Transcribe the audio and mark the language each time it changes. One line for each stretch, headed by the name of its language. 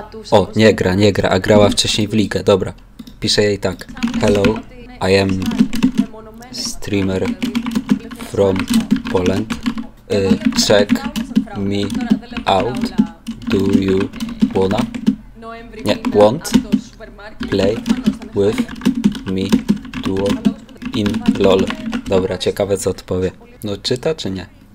Polish: O, nie gra, a grała wcześniej w ligę, dobra. Piszę jej tak.
English: Hello, I am streamer from Poland. Check me out. Do you wanna?
Polish: Nie,
English: want play with me duo in LOL.
Polish: Dobra, ciekawe co odpowie. No czyta czy nie?